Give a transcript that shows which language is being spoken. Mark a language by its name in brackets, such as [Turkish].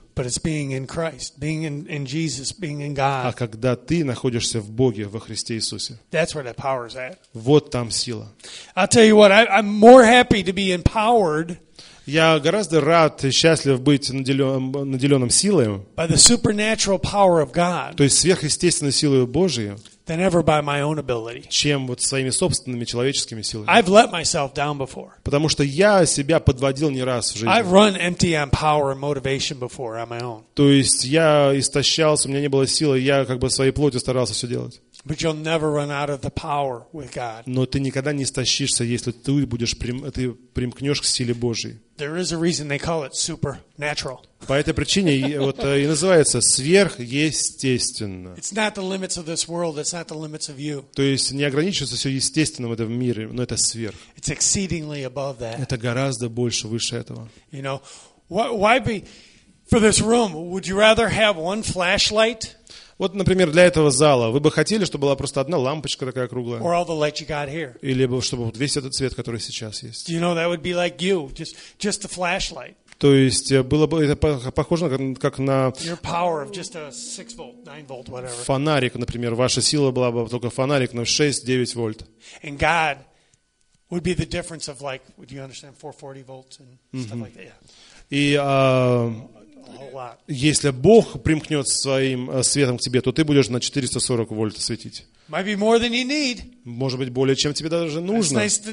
[English] But it's being in Christ, being in Jesus, being in God. [Russian] А когда ты находишься в Боге, во Христе Иисусе. [English] That's where that power is at. [Russian] Вот там сила. [English] I'll tell you what, I'm more happy to be empowered. [Russian] Я гораздо рад и счастлив быть наделенным силой, [English] by the supernatural power of God, [Russian] то есть сверхъестественной силой Божией, [English] than ever by my own ability. [Russian] Чем вот своими собственными человеческими силами. [English] I've let myself down before. [Russian] Потому что я себя подводил не раз в жизни. [English] I've run empty on power and motivation before on my own. [Russian] То есть я истощался, у меня не было силы, я как бы своей плотью старался все делать. [English] But you'll never run out of the power with God. [Russian] Но ты никогда не истощишься, если ты будешь ты примкнешь к силе Божьей. [English] There is a reason they call it supernatural. [Russian] По этой причине вот и называется сверхъестественно. [English] It's not the limits of this world. It's not the limits of you. [Russian] То есть не ограничивается все естественным в этом мире, но это сверх. [English] It's exceedingly above that. [Russian] Это гораздо больше, выше этого. [English] You know, why be? For this room, would you rather have one flashlight? [Russian] Вот, например, для этого зала вы бы хотели, чтобы была просто одна лампочка такая круглая? [English] Or all the light you got here? [Russian] Или бы чтобы весь этот свет, который сейчас есть? [English] Do you know that would be like you, just a flashlight? [Russian] То есть было бы это похоже как на [English] your power of just a 6 volt, 9 volt, whatever. [Russian] Фонарик, например, ваша сила была бы только фонарик на 6-9 вольт. [English] And God would be the difference of like, would you understand 440 volts and stuff like that? Yeah. [Russian] Если Бог примкнет своим светом к тебе, то ты будешь на 440 вольт светить. Может быть, более, чем тебе даже нужно.